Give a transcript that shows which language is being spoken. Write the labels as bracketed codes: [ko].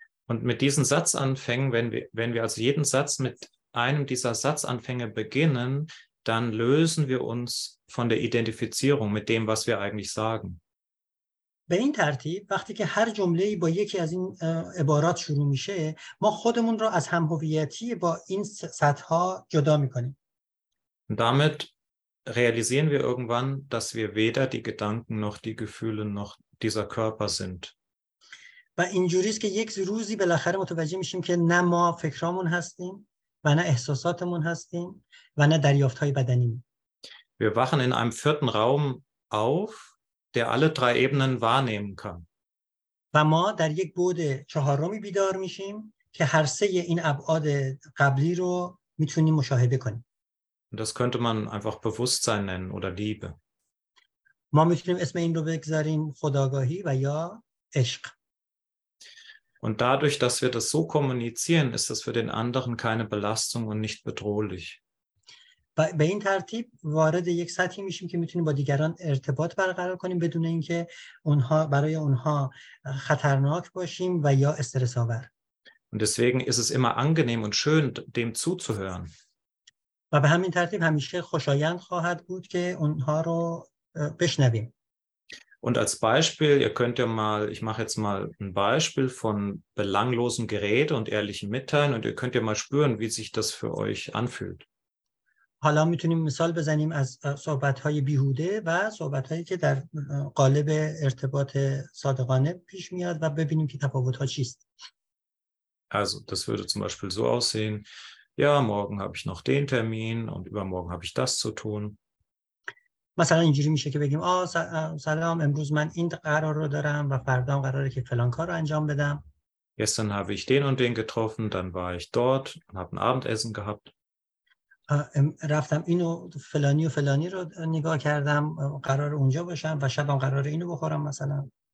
[de] Und mit diesen Satzanfängen, wenn wir also jeden Satz mit einem dieser Satzanfänge beginnen, dann lösen wir uns von der Identifizierung mit dem, was wir eigentlich sagen. [fa] به این ترتیب وقتی که هر جمله با یکی از این عبارات شروع میشه ما خودمون رو از هم هویتی با این سطح ها جدا میکنیم. [de] Damit realisieren wir irgendwann, dass wir weder die Gedanken noch die Gefühle noch dieser Körper sind. [fa] و اینجوری است که یک روزی بالاخره متوجه میشیم که نه ما فکرامون هستیم و نه احساساتمون هستیم و نه دریافت های بدنی. [de] Wir wachen in einem vierten Raum auf, der alle drei Ebenen wahrnehmen kann. [fa] و ما در یک بُعد چهارمی بیدار میشیم که هر سه این ابعاد قبلی رو میتونیم مشاهده کنیم. [de] Das könnte man einfach Bewusstsein nennen oder Liebe. [fa] ما میتونیم اسم این رو بگذاریم خودآگاهی و یا عشق. [de] Und dadurch, dass wir das so kommunizieren, ist das für den anderen keine Belastung und nicht bedrohlich. [fa] به این ترتیب وارد یک سطحی میشیم که میتونیم با دیگران ارتباط برقرار کنیم بدون اینکه اونها برای اونها خطرناک باشیم و یا استرس آور. [de] Und deswegen ist es immer angenehm und schön dem zuzuhören. [fa] و به همین ترتیب همیشه خوشایند خواهد بود که اونها رو بشنویم. [de] Und als Beispiel, ihr könnt ja mal, ich mache jetzt mal ein Beispiel von belanglosem Gerät und ehrlichen Mitteilen und ihr könnt ja mal spüren, wie sich das für euch anfühlt. [fa] حالا میتونیم مثال بزنیم از صحبت‌های بیهوده و صحبت‌هایی که در قالب ارتباط صادقانه پیش میاد و ببینیم که تفاوت‌ها چیست. [de] Also, das würde zum Beispiel so aussehen. Ja, morgen habe ich noch den Termin und übermorgen habe ich das zu tun. [fa] مثلا اینجوری میشه که بگیم آه سلام امروز من این قرار رو دارم و فردا قراره که فلان کار رو انجام بدم. [de] Gestern habe ich den und den getroffen, dann war ich dort und habe ein Abendessen gehabt. [fa] رفتم اینو فلانی و فلانی رو نگاه کردم قرار اونجا باشم و شبم قرار اینو بخورم مثلا